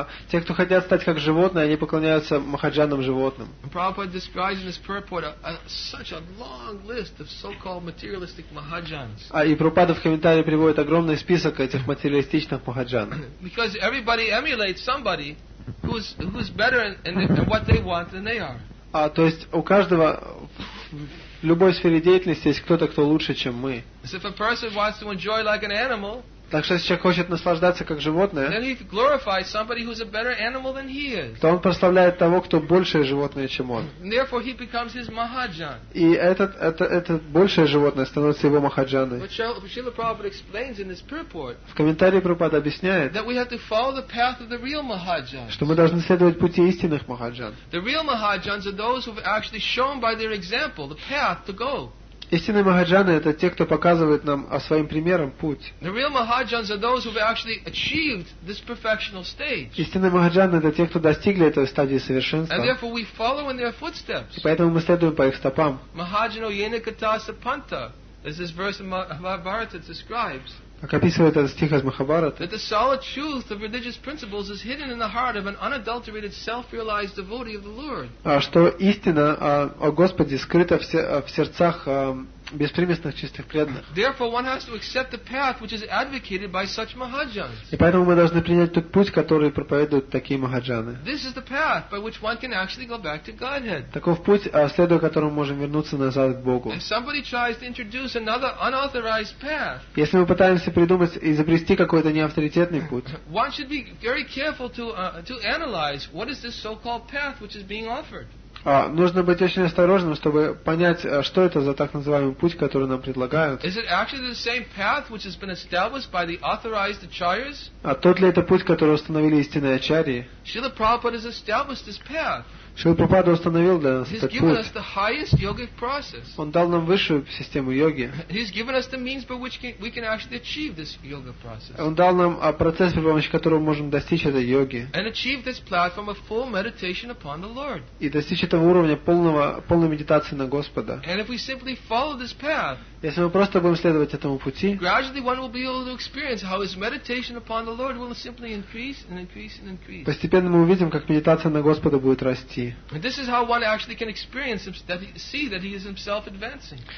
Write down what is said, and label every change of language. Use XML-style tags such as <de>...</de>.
<ru>Те, кто хотят стать как животные, они поклоняются махаджанам животным.</ru> <en>Prabhupada describes in his purport such a long list of so-called materialistic mahajans.</en> <ru>И Прабхупада в комментарии приводит огромный список этих материалистичных махаджан.</ru> <en>Because everybody emulates somebody who's better in what they want than they are.</en> <ru>То есть у каждого в любой сфере деятельности есть кто-то, кто лучше, чем мы.</ru> <en>So if a person wants to enjoy like an animal,</en> <ru>так что если человек хочет наслаждаться как животное,</ru> <en>then he glorifies somebody who's a better animal than he is.</en> <ru>То он прославляет того, кто большее животное, чем он.</ru> <en>And therefore he becomes his mahajan.</en> <ru>И этот большее животное становится его махаджаной.</ru> <en>Srila Prabhupada explains in his purport,</en> <ru>в комментарии Прабхупада объясняет,</ru> <en>that we have to follow the path of the real mahajans.</en> <ru>Что мы должны следовать пути истинных махаджан.</ru> <en>The real mahajans are those who've actually shown by their example the path to go.</en> <ru>Истинные махаджаны — это те, кто показывает нам о своим примером путь.</ru> <en>The real mahajans are those who've actually achieved this perfectional stage.</en> <ru>Истинные махаджаны — это те, кто достигли этой стадии совершенства.</ru> <en>And therefore we follow in their footsteps.</en> <ru>И поэтому мы следуем по их стопам.</ru> <sa>Mahajano yenakata sapanta,</sa> <en>as this verse in Mahabharata describes.</en> <ru>Как описывает этот стих из Махабхараты.</ru> <en>That the solid truth of religious principles is hidden in the heart of an unadulterated, self-realized devotee of the Lord.</en> <ru>Что истина о Господе скрыта в сердцах беспримесных чистых преданных.</ru> <en>Therefore, one has to accept the path which is advocated by such mahajans.</en> <ru>И поэтому мы должны принять тот путь, который проповедуют такие махаджаны.</ru> <en>This is the path by which one can actually go back to Godhead.</en> <ru>Таков путь, следуя которому можем вернуться назад к Богу.</ru> <en>If somebody tries to introduce another unauthorized path,</en> <ru>если мы пытаемся придумать, изобрести какой-то неавторитетный путь,</ru> <en>one should be very careful to analyze what is this so-called path which is being offered.</en> <ru>Нужно быть очень осторожным, чтобы понять, что это за так называемый путь, который нам предлагают.</ru> <en>Is it actually the same path which has been established by the authorized acharyas?</en> <ru>Тот ли это путь, который установили истинные ачарьи?</ru> <en>Srila Prabhupada has established this path.</en> <ru>Srila Prabhupada установил для нас этот путь.</ru> <en>He's given us the highest yogic process.</en> <ru>Он дал нам высшую систему йоги.</ru> <en>He's given us the means by which we can actually achieve this yoga process.</en> <ru>Он дал нам процесс, при помощи которого мы можем достичь этой йоги.</ru> <en>And achieve this platform of full meditation upon the Lord.</en> <ru>И достичь этого этого уровня полной медитации на Господа.</ru> <en>And if we simply follow this path,</en> <ru>если мы просто будем следовать этому пути,</ru> <en>gradually one will be able to experience how his meditation upon the Lord will simply increase and increase and increase.</en> <ru>Постепенно мы увидим, как медитация на Господа будет расти.</ru> <en>And this is how one actually can experience that he, see that he is himself advancing.</en>